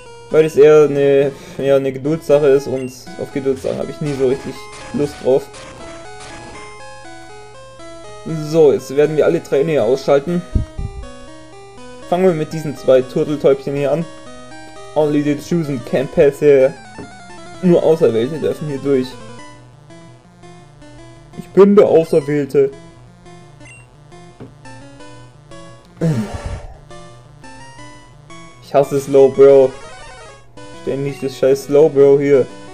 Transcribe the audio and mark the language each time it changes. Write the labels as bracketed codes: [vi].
[de] Weil es eher eine Geduldssache ist und auf Geduldssachen habe ich nie so richtig Lust drauf. So, jetzt werden wir alle Trainer ausschalten. Fangen wir mit diesen zwei Turteltäubchen hier an. [en] Only the chosen can pass here. [de] Nur Auserwählte dürfen hier durch. Ich bin der Auserwählte. Ich hasse Slowbro. Ständig das scheiß Slowbro hier.